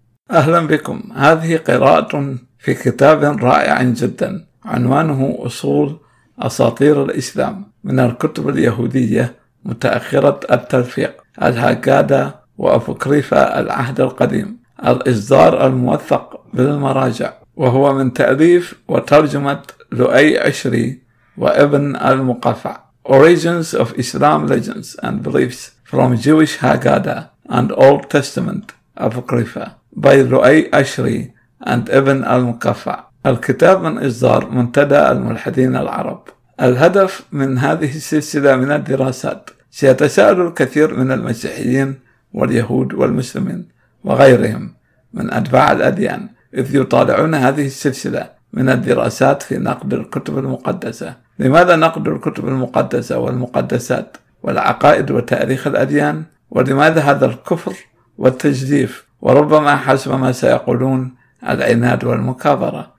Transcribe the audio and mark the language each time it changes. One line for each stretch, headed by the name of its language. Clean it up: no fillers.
Arabic: أهلا بكم، هذه قراءة في كتاب رائع جدا عنوانه أصول أساطير الإسلام من الكتب اليهودية متأخرة التلفيق الهاكادا وأبوكريفا العهد القديم، الإصدار الموثق بالمراجع، وهو من تأليف وترجمة لؤي عشري وابن المقفع.
English: Origins of Islam Legends and Beliefs from Jewish Haggadah and Old Testament Apocrypha by لؤي عشري and ابن المقفع.
Arabic: الكتاب من إصدار منتدى الملحدين العرب. الهدف من هذه السلسلة من الدراسات، سيتساءل الكثير من المسيحيين واليهود والمسلمين وغيرهم من أتباع الأديان إذ يطالعون هذه السلسلة من الدراسات في نقد الكتب المقدسة، لماذا نقد الكتب المقدسة والمقدسات والعقائد وتاريخ الأديان، ولماذا هذا الكفر والتجديف، وربما حسب ما سيقولون العناد والمكابرة.